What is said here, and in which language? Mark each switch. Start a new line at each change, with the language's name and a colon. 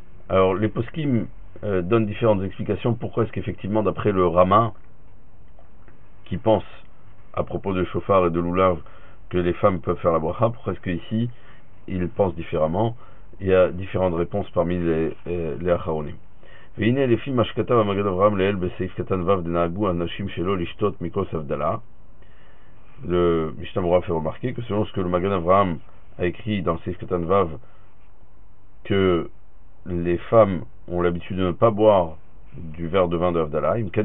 French: Alors, les poskim donnent différentes explications pourquoi est-ce qu'effectivement, d'après le Rama, qui pense à propos de Shofar et de Lulav, que les femmes peuvent faire la bracha, pourquoi est-ce qu'ici, ils pensent différemment. Il y a différentes réponses parmi les Acharonim.
Hebrew: והנה לפי מה שכתב המגד אברהם לאל בסעיף קטן וו דנהגו אנשים שלא לשתות מכוס הבדלה
French: le Mishnah Berurah fait remarquer que selon ce que le Magen Avraham a écrit dans Sif Katan Vav, que les femmes ont l'habitude de ne pas boire du verre de vin de Avdallah.